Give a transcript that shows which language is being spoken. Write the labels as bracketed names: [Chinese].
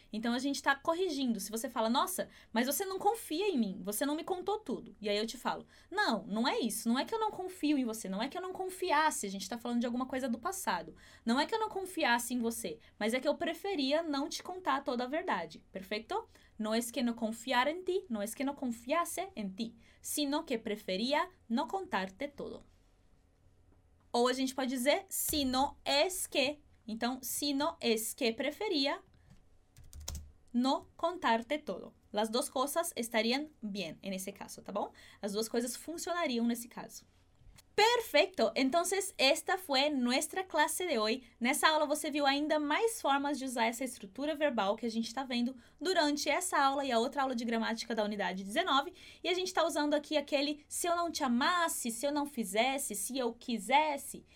[Portuguese] Então, a gente está corrigindo. Se você fala, nossa, mas você não confia em mim, você não me contou tudo. E aí eu te falo, não, não é isso. Não é que eu não confio em você, não é que eu não confiasse. A gente está falando de alguma coisa do passado. Não é que eu não confiasse em você, mas é que eu preferia não te contar toda a verdade. Perfeito? [Spanish] No es que no confiara en ti, no es que no confiase en ti, sino que preferia no contarte todo. [Portuguese] Ou a gente pode dizer, sino es que. [Spanish] Então, sino es que preferia no contarte todo. Las dos cosas estarían bien en ese caso, [Portuguese] ¿tá bom? As duas coisas funcionariam nesse caso. Perfeito! Então, esta foi [Spanish] nuestra clase [Portuguese] de hoje. Nessa aula, você viu ainda mais formas de usar essa estrutura verbal que a gente está vendo durante essa aula e a outra aula de gramática da unidade 19. E a gente está usando aqui aquele se eu não te amasse, se eu não fizesse, se eu quisesse.